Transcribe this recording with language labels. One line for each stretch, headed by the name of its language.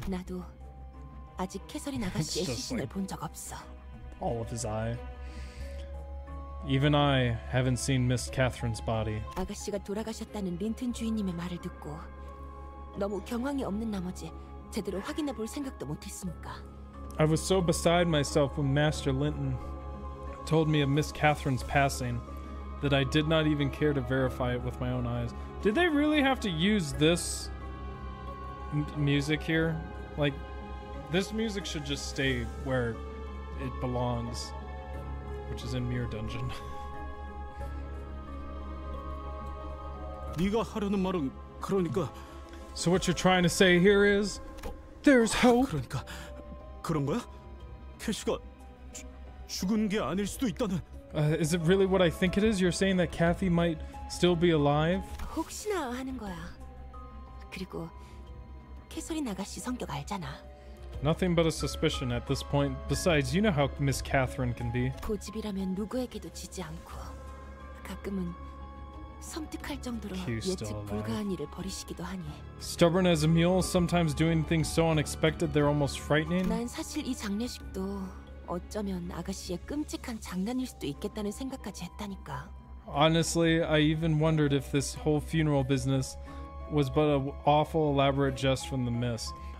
Korean: 나도 아직 캐서린 아가씨의 시신을 본 적 없어.
English: All of his eye. Even I haven't seen Miss Catherine's body.
Korean: 아가씨가 돌아가셨다는 린튼 주인님의 말을 듣고 너무 경황이 없는 나머지 제대로 확인해 볼 생각도 못 했으니까.
English: I was so beside myself when Master Linton told me of Miss Catherine's passing that I did not even care to verify it with my own eyes. Did they really have to use this music here? Like, this music should just stay where it belongs, which is in Mirror Dungeon.
Korean: 네가 하려는 말은 그러니까.
English: So what you're trying to say here is there's hope.
Korean: 그러니까 그런 거야? 캐시가 죽은 게 아닐 수도 있다는.
English: Is it really what I think it is? You're saying that Kathy might still be alive?
Korean: 혹시나 하는 거야. 그리고 캐서린 아가씨 성격 알잖아.
English: Nothing but a suspicion at this point. Besides, you know how Miss Catherine can be.
Korean: 고집이라면 누구에게도 지지 않고 가끔은 섬뜩할 정도로 예측 불가한 일을 벌이시기도 하니.
English: Stubborn as a mule, sometimes doing things so unexpected they're almost frightening.
Korean: 난 사실 이 장례식도 어쩌면 아가씨의 끔찍한 장난일 수도 있겠다는 생각까지 했다니까.
English: Honestly, I even wondered if this whole funeral business was but an awful elaborate jest from the mist.